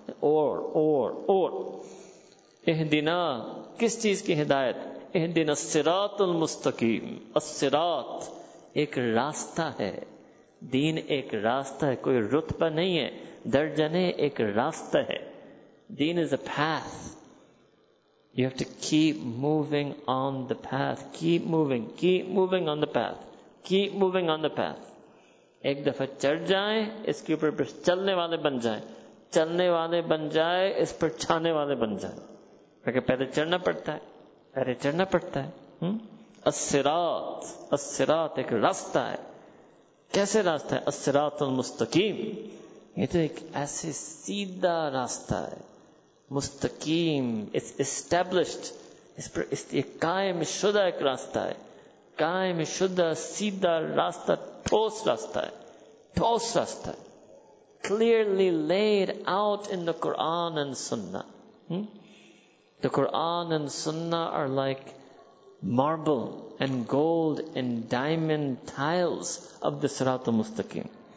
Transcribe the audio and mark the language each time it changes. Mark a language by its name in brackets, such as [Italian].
[Urdu] اور اور اور. اہدنا, کس چیز کی ہدایت؟ [Arabic] اہدنا الصراط المستقیم. [Urdu] الصراط ایک راستہ ہے, دین ایک راستہ ہے, کوئی رتبہ نہیں ہے, درجہ نہیں, ایک راستہ ہے. [English] Then is a path, you have to keep moving on the path, keep moving, keep moving on the path, keep moving on the path. [Urdu] ایک دفعہ چڑھ جائیں اس کے اوپر, پھر چلنے والے بن جائیں, چلنے والے بن جائیں اس پر چھانے والے بن جائیں. پہلے چڑھنا پڑتا ہے, پہلے چڑھنا پڑتا ہے. الصراط, الصراط ایک راستہ ہے. کیسے راستہ ہے؟ الصراط المستقیم, یہ تو ایک ایسے سیدھا راستہ ہے, مستقیم, [English] it's established, [Urdu] اس پر یہ قائم شدہ ایک راستہ ہے, قائم شدہ سیدھا راستہ, ٹھوس راستہ ہے, ٹھوس راستہ ہے. [English] Clearly laid out in the Quran and سنہ. The Quran and Sunnah are like marble and gold and diamond tiles of the Sirat al-Mustaqim.